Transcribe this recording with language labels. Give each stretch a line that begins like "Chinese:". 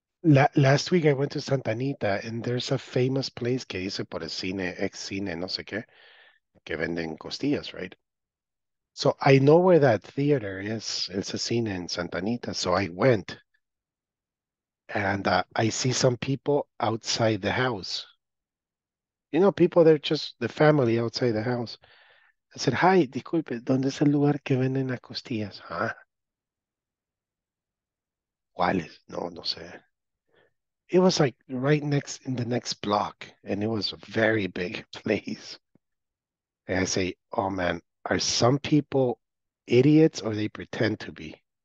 English: Last week I went to Santa Anita and there's a famous place
Spanish: que dice por el cine, ex cine, no sé qué, que venden costillas,
English: right? So I know where that theater is,
Spanish: el cine
English: in Santa Anita. So I went and I see some people outside the house. You know, people, they're just the family outside the house. I said, hi,
Spanish: disculpe, ¿dónde es el lugar que venden las costillas? Huh? ¿Cuáles? No, no sé.
English: It was like right next, in the next block. And it was a very big place. And I say, oh man, are some people idiots or they pretend to be?